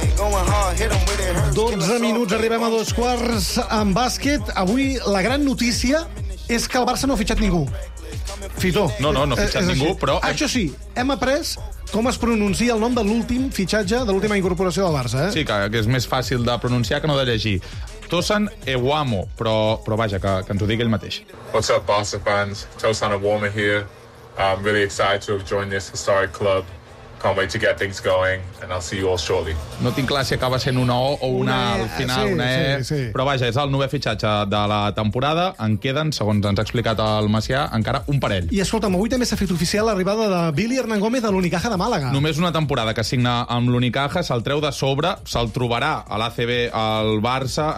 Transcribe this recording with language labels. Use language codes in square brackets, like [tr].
[ca] 12 minuts, arribem a 2:15 en bàsquet. Avui la gran notícia és que el Barça no ha fitxat ningú. Fitó. No, fitxat ningú, així. Però... Això sí, hem après com es pronuncia el nom de l'últim fitxatge, de l'última incorporació del Barça, eh? Sí, que és més fàcil de pronunciar que no de llegir. Tosin Awoma, però vaja, que ens ho digui ell mateix. [en] What's up, Barca fans? Tosin Awoma here. I'm really excited to have joined this historic club. Can't wait to get things going, and I'll see you all shortly. [ca] No tinc clar si acaba sent una O o una E al final, sí, una E. Sí, sí. Però vaja, és el nou fitxatge de la temporada. En queden, segons ens ha explicat el Macià, encara un parell. I escolta'm, avui també s'ha fet oficial l'arribada de Billy Hernán Gómez de l'Unicaja de Màlaga. Només una temporada que signa amb l'Unicaja, se'l treu de sobre, se'l trobarà a l'ACB al Barça.